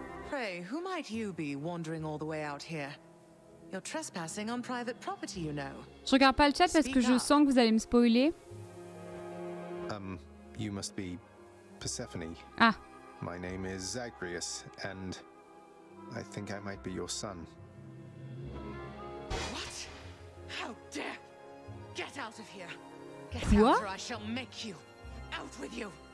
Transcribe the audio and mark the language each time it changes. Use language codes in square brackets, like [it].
[en] Pray, who might you be wandering all the way out here? You're trespassing on private property, you know. [fr] Je regarde pas le chat parce que je sens que vous allez me spoiler. [en] You must be Persephone. Ah. My name is Zagreus and I think I might be your son. What? How dare? Get out of here. Get out or I shall make you. Out with you.